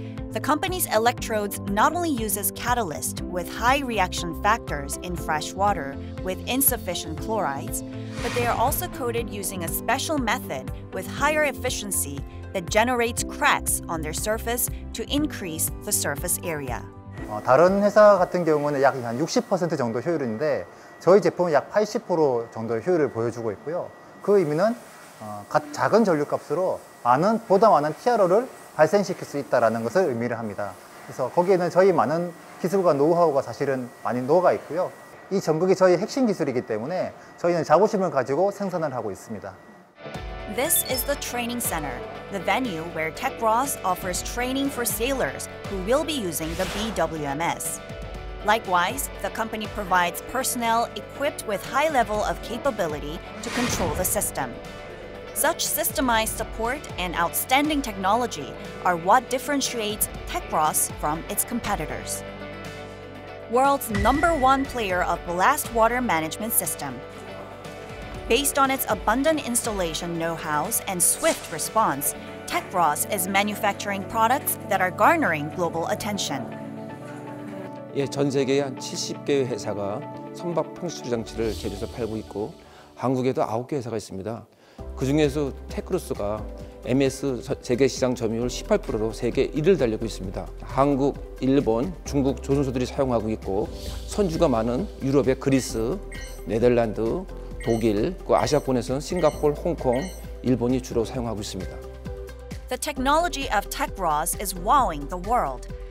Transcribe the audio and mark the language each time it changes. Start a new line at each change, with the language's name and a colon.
English: The company's electrodes not only uses catalyst with high reaction factors in fresh water with insufficient chlorides, but they are also coated using a special method with higher efficiency that generates cracks on their surface to increase the surface area.
Korean: 다른 회사 같은 경우는 약 한 60% 정도 효율인데 저희 제품은 약 80% 정도의 효율을 보여주고 있고요. 그 의미는 작은 전류값으로 많은 보다 많은 TRO를 발생시킬 수 있다는 것을 의미를 합니다. 그래서 거기에는 저희 많은 기술과 노하우가 사실은 많이 녹아 있고요. 이 전극이 저희 핵심 기술이기 때문에 저희는 자부심을 가지고 생산을 하고 있습니다.
English: This is the training center, the venue where TECHCROSS offers training for sailors who will be using the BWMS. Likewise, the company provides personnel equipped with high level of capability to control the system. Such systemized support and outstanding technology are what differentiates TECHCROSS from its competitors. World's number one player of blast water management system. Based on its abundant installation know-hows and swift response, TECHCROSS is manufacturing products that are garnering global attention.
Korean: 예, 전 세계에 한 70개의 회사가 선박 풍수리 장치를 제조해서 팔고 있고 한국에도 9개 회사가 있습니다. 그중에서 테크로스가 MS 재개 시장 점유율 18%로 세계 1위를 달리고 있습니다. 한국, 일본, 중국 조선소들이 사용하고 있고 선주가 많은 유럽의 그리스, 네덜란드, 독일, 그 아시아권에서는 싱가포르, 홍콩, 일본이 주로 사용하고 있습니다.
English: The technology of TECHCROSS is wowing the world.